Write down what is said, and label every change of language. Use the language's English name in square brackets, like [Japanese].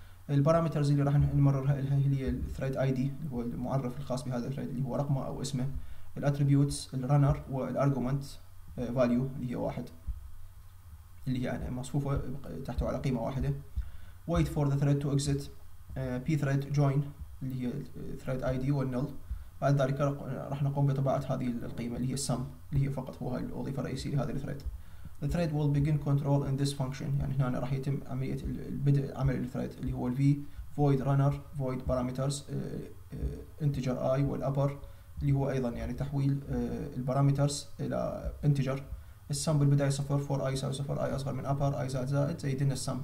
[Arabic] البارامترز اللي راح نمررها لها هي الثريد اي دي اللي هو المعرف الخاص بهذا الثريد اللي هو رقمه او اسمه، الاتريبيوتس الرانر والارجومنت فاليو اللي هي واحد اللي هي يعني مصفوفه تحته على قيمه واحده. [English] wait for the thread to exit B thread join [Arabic] اللي هي الثريد اي دي والنل. بعد ذلك راح نقوم بطباعه هذه القيمه اللي هي السم اللي هي فقط هو الوظيفه الرئيسيه لهذا الثريد. [English] The thread will begin control in this function. [Arabic] يعني هنا راح يتم عملية البدء عمل الثريد اللي هو الفي void runner void parameters integer i والأبر اللي هو أيضا يعني تحويل البارامترز إلى integer. السم بالبداية صفر for i يساوي صفر i أصغر من upper i زائد زائد زائد لنا السم.